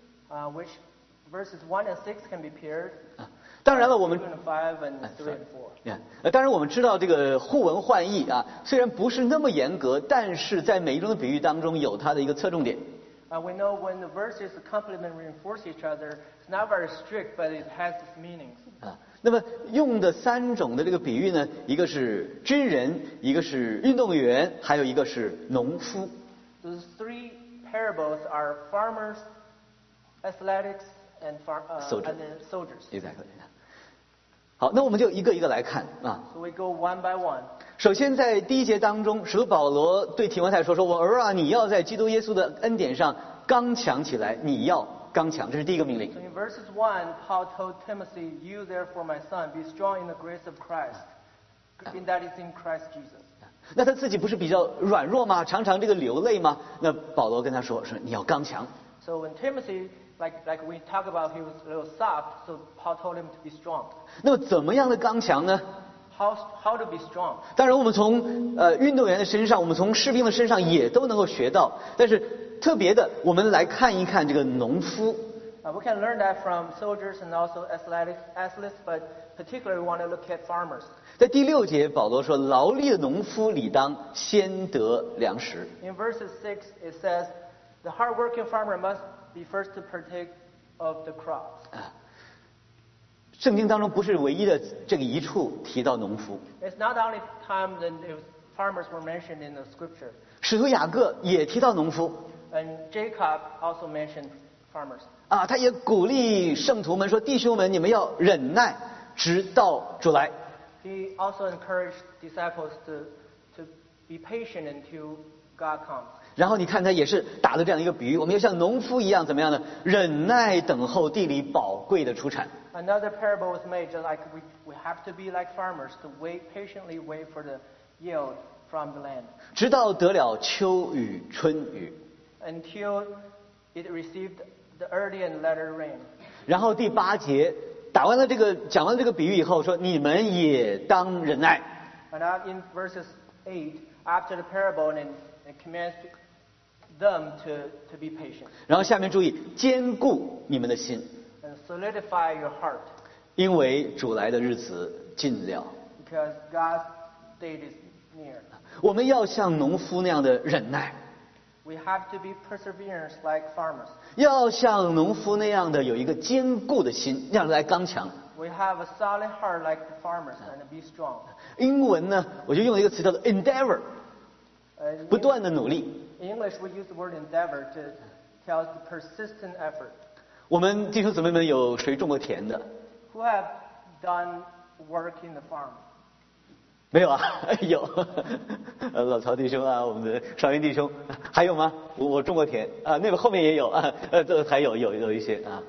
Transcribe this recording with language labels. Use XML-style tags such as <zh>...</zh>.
<en>Which verses 1 and 6 can be paired.</en> <zh>当然了，我们</zh> <en>2 and 5 and 3 and 4.</en> <zh>当然我们知道这个互文换义啊，虽然不是那么严格，但是在每一种的比喻当中有它的一个侧重点。</zh> <en>We know when the verses complement reinforce each other, it's not very strict, but it has its meanings.</en> <zh>那么用的三种的这个比喻呢，一个是军人，一个是运动员，还有一个是农夫。</zh> <en>The three parables are farmers, athletics, and soldiers. Exactly.</en> <zh>好，那我们就一个一个来看啊。</zh> <en>So we go one by one.</en> <zh>首先在第一节当中，使徒保罗对提摩太说：“我儿啊，你要在基督耶稣的恩典上刚强起来，你要。” 刚强，这是第一个命令。</zh> <en>So in verses 1, Paul told Timothy, "You therefore, my son, be strong in the grace of Christ, in that is in Christ Jesus."</en> <zh>那他自己不是比较软弱吗？常常这个流泪吗？那保罗跟他说，说你要刚强。</zh> <en>So when Timothy, like we talk about, he was a little soft, so Paul told him to be strong.</en> <zh>那么怎么样的刚强呢？</zh> <en>How to be strong?</en> <zh>当然，我们从运动员的身上，我们从士兵的身上也都能够学到，但是。特别的，我们来看一看这个农夫。</zh> <en>We can learn that from soldiers and also athletes, but particularly we want to look at farmers.</en> <zh>在第六节，保罗说，劳力的农夫理当先得粮食。</zh> <en>In verse 6, it says, the hardworking farmer must be first to partake of the crops.</en> <zh>圣经当中不是唯一的这个一处提到农夫。</zh> <en>It's not the only time that farmers were mentioned in the scripture.</en> <zh>使徒雅各也提到农夫。</zh> <en>And Jacob also mentioned farmers.</en> <zh>啊，他也鼓励圣徒们说：“弟兄们，你们要忍耐，直到主来。”</zh> <en>He also encouraged disciples to be patient until God comes.</en> <zh>然后你看，他也是打了这样一个比喻：我们要像农夫一样，怎么样呢？忍耐等候地里宝贵的出产。</zh> <en>Another parable was made, just like we have to be like farmers to patiently wait for the yield from the land.</en> <zh>直到得了秋雨春雨。</zh> <en>Until it received the early and latter rain.</en> <zh>然后第八节，打完了这个，讲完了这个比喻以后，说你们也当忍耐。</zh> <en>And now in verses 8, after the parable, and it commands them to be patient.</en> <zh>然后下面注意，坚固你们的心。</zh> <en>And solidify your heart.</en> <zh>因为主来的日子近了。</zh> <en>Because God's day is near.</en> <zh>我们要像农夫那样的忍耐。</zh> <en>We have to be perseverance like farmers.</en> <zh>要像农夫那样的有一个坚固的心，那样来刚强。</zh> <en>We have a solid heart like the farmers and be strong.</en> <zh>英文呢，我就用了一个词叫做 endeavor， 不断的努力。</zh> <en>In English, we use the word endeavor to tell the persistent effort.</en> <zh>我们弟兄姊妹们有谁种过田的</zh> <en>？Who have done work in the farm？</en> <zh>没有啊，有，老曹弟兄啊，我们的尚云弟兄，还有吗？我种过田啊，那个后面也有啊，这还有一些啊。</zh>